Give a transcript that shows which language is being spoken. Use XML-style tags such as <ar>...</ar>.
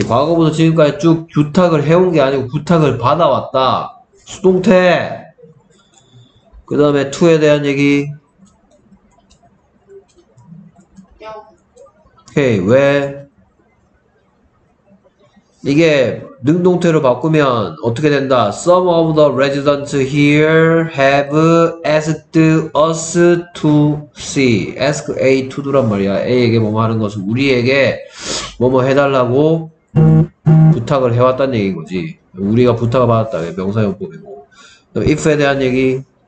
<ko>과거부터 지금까지 쭉 부탁을 해온 게 아니고 부탁을 받아왔다. 수동태. 그 다음에 2에 대한 얘기. 오케이. 왜? 이게 능동태로 바꾸면 어떻게 된다?</ko> <en>Some of the residents here have asked us to see. Ask A to do란</en> <ko>말이야. A에게 뭐뭐 하는 것은 우리에게 뭐뭐 해달라고 부탁을 해왔다는 얘기인거지. 우리가 부탁을 받았다. 명사용법이고. If에 대한 얘기.</ko>